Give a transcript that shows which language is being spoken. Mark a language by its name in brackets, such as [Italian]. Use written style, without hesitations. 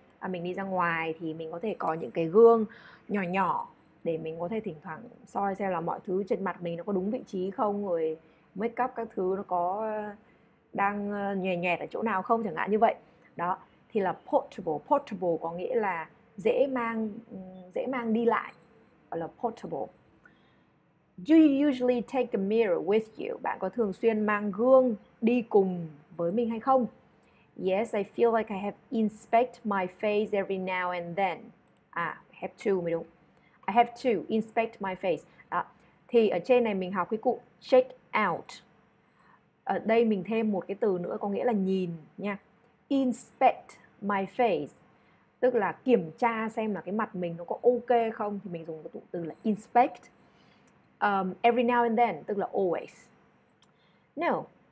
[Vietnamese] Mình đi ra ngoài thì mình có thể có những cái gương nhỏ nhỏ để mình có thể thỉnh thoảng soi xem là mọi thứ trên mặt mình nó có đúng vị trí không, rồi make up các thứ nó có đang nhòe nhòe ở chỗ nào không chẳng hạn như vậy. Đó, thì là portable. Portable có nghĩa là dễ mang đi lại, gọi là portable. [English] Do you usually take a mirror with you? [Vietnamese] Bạn có thường xuyên mang gương đi cùng với mình hay không? [English] Yes, I feel like I have inspect my face every now and then. À, have to [Vietnamese] mới đúng. [English] I have to inspect my face. [Vietnamese] Đó. Thì ở trên này mình học cái cụm check out. Ở đây mình thêm một cái từ nữa có nghĩa là nhìn nha. [English] Inspect my face. [Vietnamese] Tức là kiểm tra xem là cái mặt mình nó có ok không. Thì mình dùng cái từ là inspect. [English] Every now and then, [Vietnamese] tức là always. No.